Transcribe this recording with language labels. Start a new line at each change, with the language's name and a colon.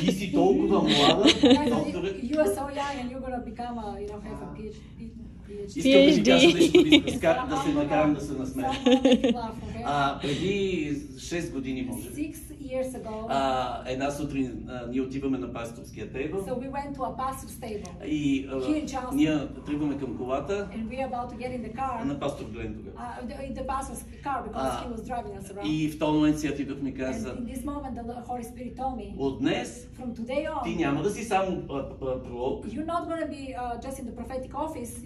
Bulgarian: Ти си толкова млада, докторът.
English: You are so young and you're gonna become a, you know, have a PhD. PhD.
Bulgarian: Да се накарам да се насмея. А преди 6 години може.
English: 6 years ago.
Bulgarian: А една сутрин ние отиваме на пасторския тейбъл.
English: So we went to a pastor's table.
Bulgarian: И ние тръгваме към колата.
English: And we are about to get in the car.
Bulgarian: На пастор Глен тогава.
English: The pastor's car because he was driving us around.
Bulgarian: И в този момент Святият Дух ми каза.
English: And in this moment the Holy Spirit told me.
Bulgarian: От днес
English: from today on.
Bulgarian: Ти няма да си само пророк.
English: You're not going to be just in the prophetic office.